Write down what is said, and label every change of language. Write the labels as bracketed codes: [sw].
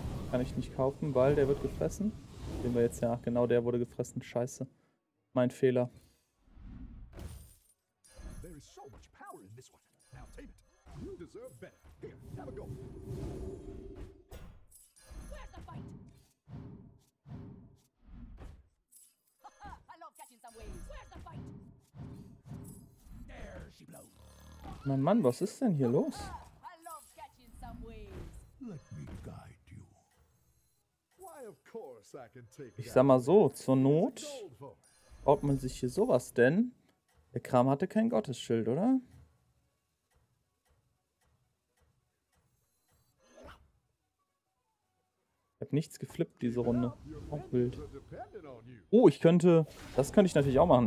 [de] Kann ich nicht kaufen, weil der wird gefressen. Sehen wir jetzt ja, genau der wurde gefressen. Scheiße. Mein Fehler. [en] There is so much power in this one. Now tame it. You deserve better. Here, have a go. Where's the fight? I love catching some waves. Where's the fight? There she blows. [de] Mein Mann, was ist denn hier los? [en] I love catching some waves. Let me guide you. Why, of course I can take [de] ich sag mal so, zur Not baut man sich hier sowas, denn der Kram hatte kein Gottesschild, oder? Ich hab nichts geflippt diese Runde. Auch wild. Oh, ich könnte, das könnte ich natürlich auch machen.